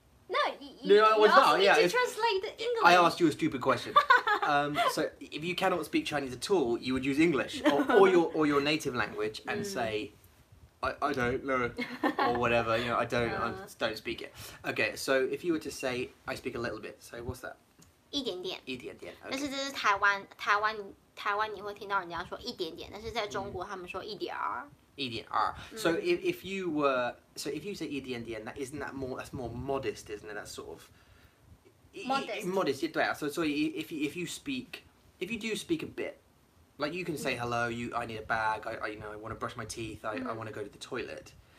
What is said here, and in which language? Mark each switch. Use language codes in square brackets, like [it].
[en] No, you asked me to translate the English. I asked you a stupid question. So if you cannot speak Chinese at all, you would use English or your native language and say, I don't know, or whatever, you know, I don't speak it. Okay, so if you were to say, I speak a little bit, so what's that? [zh] 一点点，但是这是台湾，台湾你会听到人家说一点点，但是在中国他们说一点儿，一点儿。 [en] So if you say 一点点, that's more modest, isn't it? That's sort of modest. So if you do speak a bit, like you can say hello. I need a bag. I want to brush my teeth. I want to go to the toilet.